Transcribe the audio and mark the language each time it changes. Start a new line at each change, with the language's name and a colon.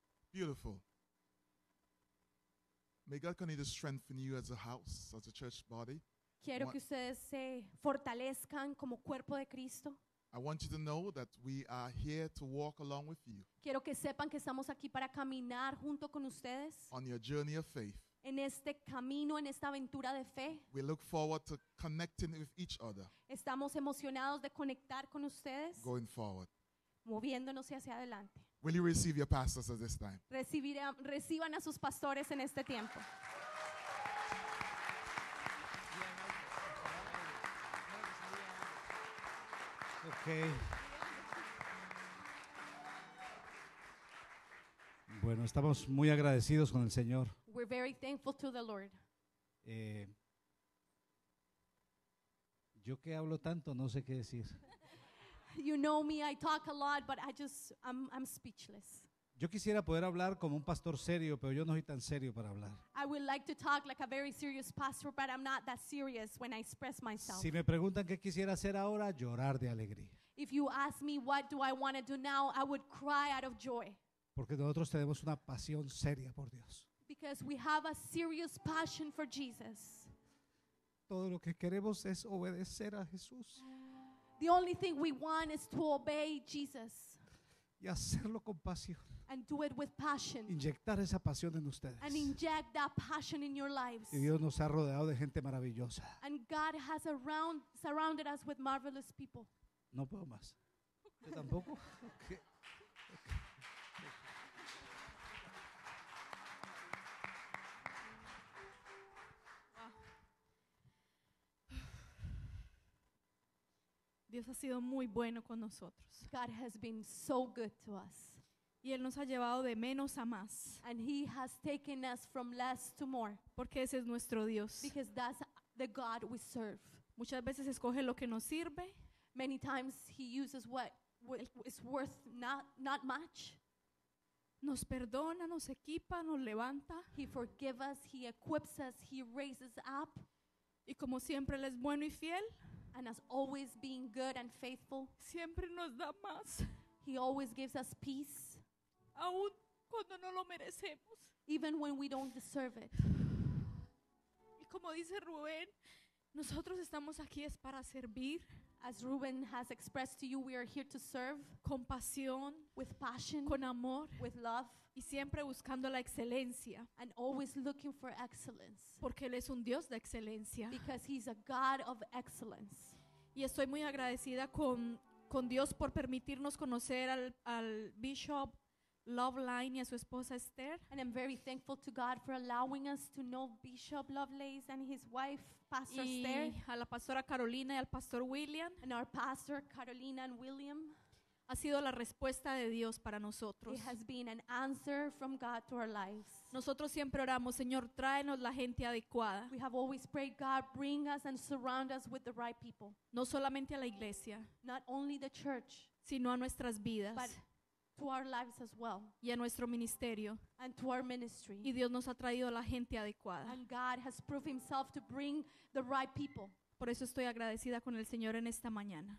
English: Beautiful. May God continue to strengthen you as a house, as a church body.
Spanish: Quiero que ustedes se fortalezcan como cuerpo de Cristo.
English: I want you to know that we are here to walk along with you.
Spanish: Quiero que sepan que estamos aquí para caminar junto con ustedes.
English: On your journey of faith.
Spanish: En este camino, en esta aventura de fe.
English: We look forward to connecting with each other.
Spanish: Estamos emocionados de conectar con ustedes.
English: Going forward.
Spanish: Moviéndonos hacia adelante.
English: Will you receive your pastors at this time?
Spanish: Reciban a sus pastores en este tiempo.
English: Okay.
Spanish: Bueno, estamos muy agradecidos con el Señor.
English: We're very thankful to the Lord.
Spanish: Yo que hablo tanto, no sé qué decir.
English: You know me, I talk a lot, but I'm speechless.
Spanish: Yo quisiera poder hablar como un pastor serio, pero yo no soy tan serio para hablar.
English: I would like to talk like a very serious pastor, but I'm not that serious when I express myself.
Spanish: Si me preguntan qué quisiera hacer ahora, llorar de alegría.
English: If you ask me what do I want to do now, I would cry out of joy.
Spanish: Porque nosotros tenemos una pasión seria por Dios.
English: Because we have a serious passion for Jesus.
Spanish: Todo lo que queremos es obedecer a Jesús.
English: The only thing we want is to obey Jesus.
Spanish: Y hacerlo con pasión.
English: And do it with passion.
Spanish: Inyectar esa pasión en ustedes.
English: And inject that passion in your lives.
Spanish: Y Dios nos ha rodeado de gente maravillosa.
English: And God has surrounded us with marvelous people.
Spanish: No puedo más. Yo tampoco. Dios ha sido muy bueno con nosotros.
English: God has been so good to us.
Spanish: Y Él nos ha llevado de menos a más.
English: And He has taken us from less to more.
Spanish: Porque ese es nuestro Dios.
English: Because that's the God we serve.
Spanish: Muchas veces escoge lo que nos sirve.
English: Many times He uses what is worth not much.
Spanish: Nos perdona, nos equipa, nos levanta.
English: He forgives us, He equips us, He raises up.
Spanish: Y como siempre Él es bueno y fiel.
English: And has always been good and faithful.
Spanish: Siempre nos da más.
English: He always gives us peace.
Spanish: Aún cuando no lo merecemos.
English: Even when we don't deserve it.
Spanish: Y como dice Rubén, nosotros estamos aquí es para servir.
English: As Rubén has expressed to you, we are here to serve.
Spanish: Con pasión.
English: With passion.
Spanish: Con amor.
English: With love.
Spanish: Y siempre buscando la excelencia.
English: And always looking for excellence.
Spanish: Porque Él es un Dios de excelencia.
English: Because He's a God of excellence.
Spanish: Y estoy muy agradecida con Dios por permitirnos conocer al Bishop, Lovelace y a su esposa Esther.
English: And I'm very thankful to God for allowing us to know Bishop Lovelace and his wife, Pastor Esther.
Spanish: Y a la pastora Carolina y al pastor William.
English: And our pastor Carolina and William.
Spanish: Ha sido la respuesta de Dios para nosotros.
English: It has been an answer from God to our lives.
Spanish: Nosotros siempre oramos, Señor, tráenos la gente adecuada.
English: We have always prayed, God, bring us and surround us with the right people.
Spanish: No solamente a la iglesia,
English: not only the church,
Spanish: sino a nuestras vidas,
English: but to our lives as well,
Spanish: y a nuestro ministerio,
English: and to our ministry.
Spanish: Y Dios nos ha traído la gente adecuada.
English: And God has proved himself to bring the right people.
Spanish: Por eso estoy agradecida con el Señor en esta mañana.